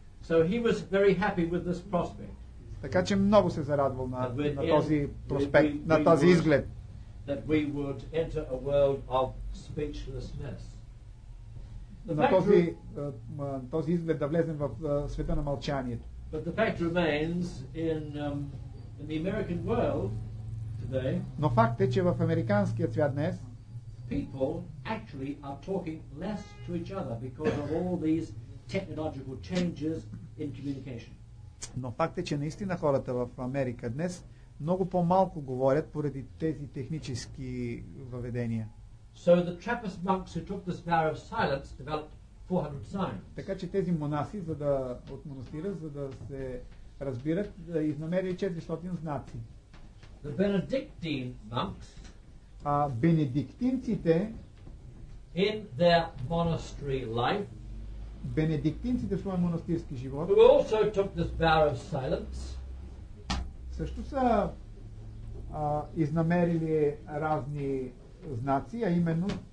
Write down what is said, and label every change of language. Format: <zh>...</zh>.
<en>So he was very happy with this prospect.</en> <bg>Така че много се зарадвал на този проспект, на този изглед.</bg> <en>That we would enter a world of speechlessness.</en> <bg>На този изглед да влезем в света на мълчанието.</bg> <en>But the fact remains in the American world today.</en> <bg>Но факт е, че в американския свят днес</bg> <en>people actually are talking less to each other because of all these technological changes in communication.</en> <bg>Но факт е, че наистина хората в Америка днес много по-малко говорят поради тези технически въведения.</bg> <en>So the Trappist monks who took this vow of silence developed</en> <bg>Така че тези монаси, за да от монастира, за да се разбират, да изнамерят 400 знаци.</bg> <en>The Benedictine monks,</en> <bg>а бенедиктинците</bg> <en>in their monastery life,</en> <bg>бенедиктинците в своя монастирски живот,</bg> <en>who also took this vow of silence,</en> <bg>също са изнамерили разни знаци, а именно</bg>